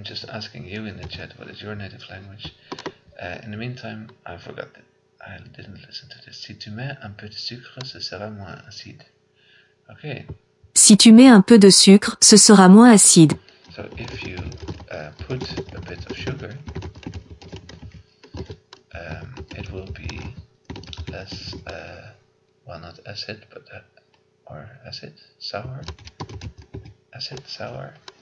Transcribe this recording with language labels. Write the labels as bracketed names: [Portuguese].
[English] Asking you in the chat, what is your native language? In the meantime, I forgot that I didn't listen to this. [French] Si tu mets un peu de sucre, ce sera moins acide. [English] Okay. [French] Si tu mets un peu de sucre, ce sera moins acide. [English] So if you put a bit of sugar, it will be less, well, not acid, but or acid, sour, acid, sour.